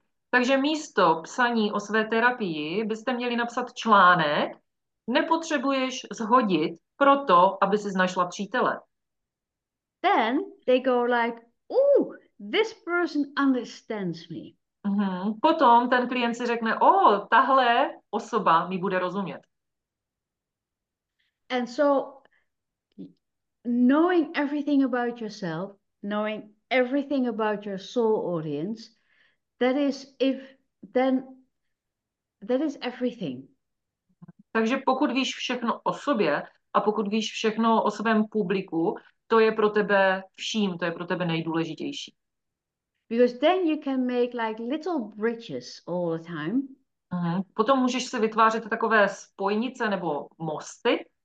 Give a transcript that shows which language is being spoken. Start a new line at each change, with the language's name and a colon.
Czech: Takže místo psaní o své terapii byste měli napsat článek, nepotřebuješ zhodit proto, aby si našla přítele.
English: Then they go like, "Oh, this person understands me."
Czech: Potom ten klient si řekne, o, tahle osoba mi bude rozumět.
English: And so, knowing everything about yourself, knowing everything about your soul audience, that is if then that is everything.
Czech: Takže pokud víš všechno o sobě a pokud víš všechno o svém publiku, to je pro tebe vším, to je pro tebe nejdůležitější.
English: Because then you can make like little bridges all the time.
Czech: Potom můžeš si vytvářet takové spojnice nebo mosty.